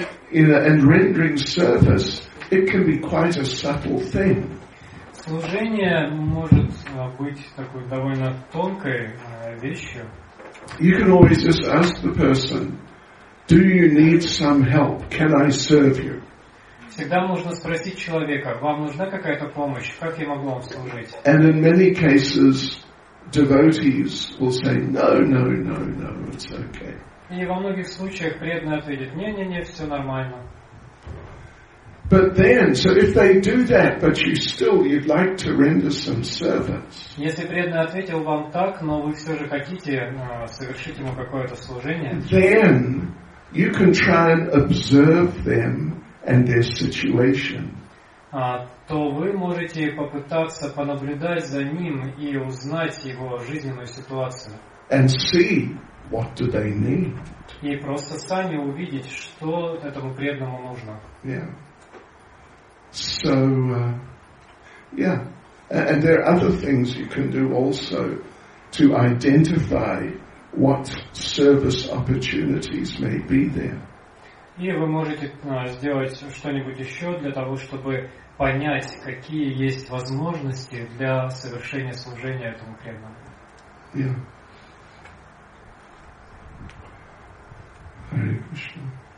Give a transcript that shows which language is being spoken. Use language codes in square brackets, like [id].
[en] You know, and rendering service, it can be quite a subtle thing. [ru] Служение может быть такой довольно тонкой вещью. [en] You can always just ask the person, "Do you need some help? Can I serve you?" [ru] Всегда можно спросить человека, вам нужна какая-то помощь? Как я могу вам служить? [en] And in many cases, devotees will say, "No, no, no, no, it's okay." [ru] И во многих случаях преданные ответят, не, все нормально. [en] But then, so if they do that, but you still, you'd like to render some service. [ru] Если преданный ответил вам так, но вы все же хотите совершить ему какое-то служение. [en] Then you can try and observe them and their situation. [ru] То вы можете попытаться понаблюдать за ним и узнать его жизненную ситуацию. [en] And see what do they need. [ru] И просто сами увидеть, что этому преданному нужно. [en] Yeah. So, yeah, and there are other things you can do also to identify what service opportunities may be there. [ru] И вы можете сделать что-нибудь еще для того, чтобы понять, какие есть возможности для совершения служения этому преданному. [en] Yeah. Hare Krishna.